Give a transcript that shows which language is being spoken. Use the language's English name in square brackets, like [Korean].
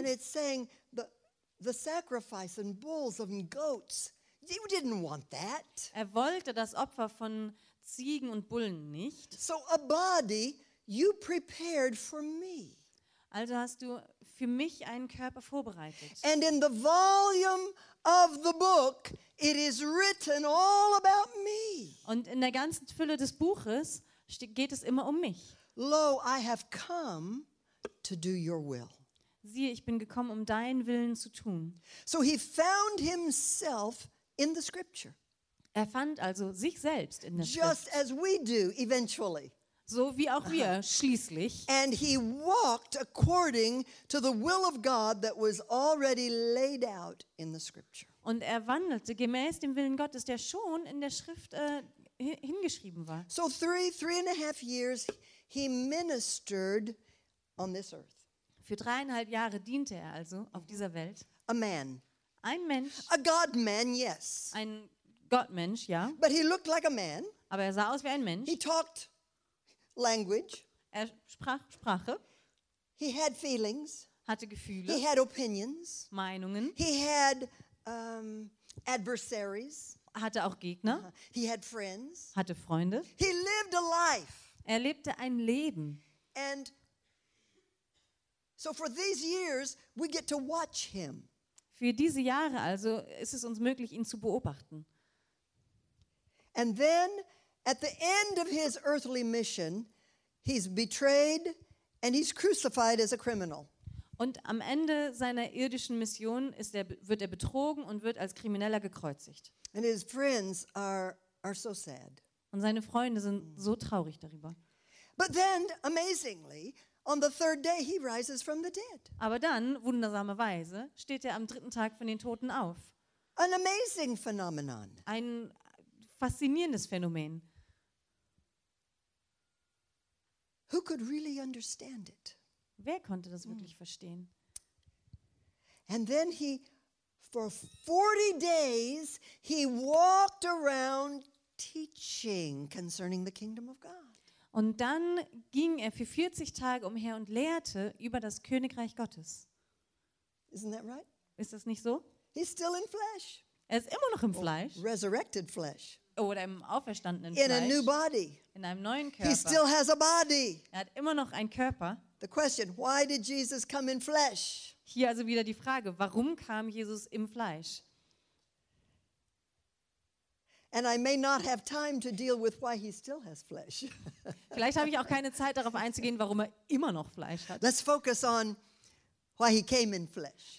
[English] And it's saying the sacrifice and bulls and goats. You didn't want that. [German] Er wollte das Opfer von Ziegen und Bullen nicht. [English] So a body you prepared for me. [German] Also hast du für mich einen Körper vorbereitet. [English] And in the volume of the book it is written all about me. [German] Und in der ganzen Fülle des Buches geht es immer um mich. [English] Lo, I have come to do your will. [German] Siehe, ich bin gekommen, um deinen Willen zu tun. [English] So he found himself in the scripture. [German] Er fand also sich selbst in der Schrift. [English] Just as we do eventually. [German] So wie auch wir schließlich. [English] And he walked according to the will of God that was already laid out in the scripture. [German] Und er wandelte gemäß dem Willen Gottes, der schon in der Schrift hingeschrieben war. [English] So three and a half years he ministered on this earth. [German] Für 3,5 Jahre diente er also auf dieser Welt. [English] A man. [German] Ein Mensch. [English] A God-man, yes. [German] Ein Gottmensch, ja. [English] But he looked like a man. [German] Aber er sah aus wie ein Mensch. [English] He talked language. [German] Er sprach Sprache. [English] He had feelings. [German] Hatte Gefühle. [English] He had opinions. [German] Meinungen. [English] He had adversaries. [German] hatte auch Gegner. [English] He had friends. [German] Hatte Freunde. [English] He lived a life. [German] Er lebte ein Leben. [English] And so for these years we get to watch him. [German] Für diese Jahre also ist es uns möglich, ihn zu beobachten. [English] And then at the end of his earthly mission, he's betrayed and he's crucified as a criminal. [German] Und am Ende seiner irdischen Mission wird er betrogen und wird als Krimineller gekreuzigt. [English] And his friends are so sad. [German] Und seine Freunde sind so traurig darüber. [English] But then, amazingly, on the third day he rises from the dead. [German] Aber dann, wundersamerweise, steht er am dritten Tag von den Toten auf. [English] An amazing phenomenon. [German] Ein faszinierendes Phänomen. [English] Who could really understand it? [German] Wer konnte das wirklich verstehen? [English] And then he, for 40 days, he walked around teaching concerning the kingdom of God. [German] Und dann ging er für 40 Tage umher und lehrte über das Königreich Gottes. [English] Isn't that right? [German] Ist das nicht so? [English] He's still in flesh. [German] Er ist immer noch im Fleisch. [English] Or resurrected flesh. [German] Oder im auferstandenen in Fleisch. [English] A new body. [German] In einem neuen Körper. [English] He still has a body. [German] Er hat immer noch einen Körper. [English] The question, why did Jesus come in flesh? [German] Hier also wieder die Frage, warum kam Jesus im Fleisch? [English] And I may not have time to deal with why he still has flesh. [German] Vielleicht habe ich auch keine Zeit darauf einzugehen, warum er immer noch Fleisch hat. [English] Let's focus on why he came in flesh.